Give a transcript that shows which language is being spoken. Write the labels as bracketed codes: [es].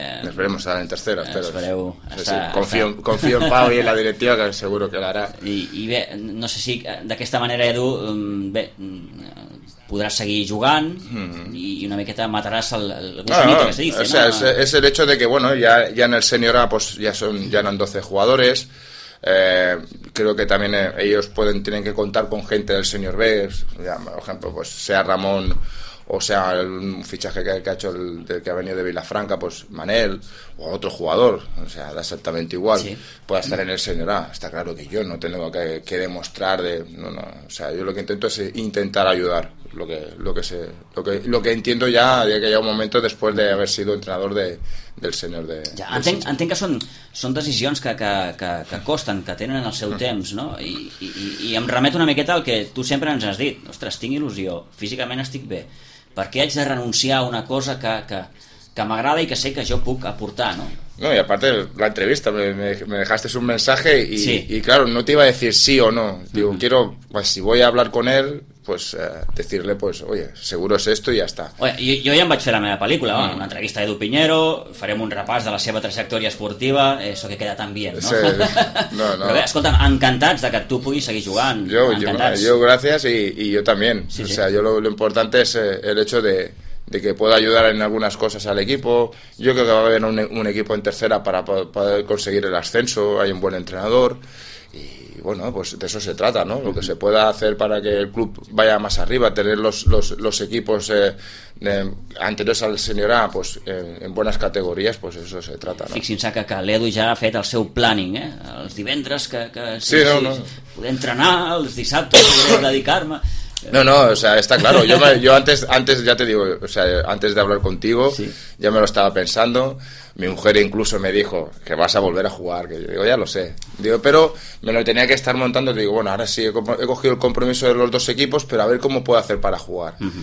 [ca] Esperem estar en tercera, espero. Espereu, confio en Pau i en la directiva, que seguro que l'harà. I bé, no sé si d'aquesta manera, Edu, bé, podràs seguir jugant, uh-huh, i una miqueta mataràs el gusanito, no, [es] que se dice. O sea, es el hecho de que, bueno, ya en el senyor A, pues ya eran 12 jugadores. Creo que también ellos tienen que contar con gente del Senior B, ya, por ejemplo, pues sea Ramón o sea un fichaje que ha hecho que ha venido de Vilafranca, pues Manel o otro jugador, o sea, da exactamente igual, sí, pueda estar en el Senior A. Está claro que yo no tengo que demostrar de no, o sea, yo lo que intento es intentar ayudar, lo que entiendo ya de que hay un momento después de haber sido entrenador del senyor de... [ca] Ja, entenc que són decisions que costen, que tenen el seu temps, no? I em remeto una miqueta al que tu sempre ens has dit. Ostres, tinc il·lusió, físicament estic bé. Per què haig de renunciar a una cosa que m'agrada i que sé que jo puc aportar, no? [es] No, y aparte la entrevista, me dejaste un mensaje y, sí, y claro, no te iba a decir sí o no. Digo, uh-huh, quiero, pues si voy a hablar con él, pues decirle, pues oye, seguro es esto y ya está. Oye, yo ya [ca] em vaig fer la meva película, uh-huh, una entrevista a Edu Piñero, farem un repàs de la seva trajectòria esportiva, [es] eso que queda tan bien, [ca] ¿no? Sí, no. Però bé, escolta'm, encantats de que tu puguis seguir jugant. [es] Yo gracias y yo también. Sí, o sea, sí. Yo lo importante es el hecho de que pueda ayudar en algunas cosas al equipo. Yo creo que va a haber un equipo en tercera para poder conseguir el ascenso, hay un buen entrenador, y bueno, pues de eso se trata, ¿no? Lo que se pueda hacer para que el club vaya más arriba, tener los equipos anteriors al senyor A, pues en buenas categorías, pues eso se trata, ¿no? [ca] Fixin-se que l'Edu ja ha fet el seu planning, ¿eh? Els divendres que sí, sí, no, sí, no. Poder entrenar, els dissabtes poder dedicar-me... [es] No, o sea, está claro, yo antes ya te digo, o sea, antes de hablar contigo, sí, ya me lo estaba pensando. Mi mujer incluso me dijo que vas a volver a jugar, que yo digo, ya lo sé. Digo, pero me lo tenía que estar montando, digo, bueno, ahora sí he cogido el compromiso de los dos equipos, pero a ver cómo puedo hacer para jugar. Uh-huh.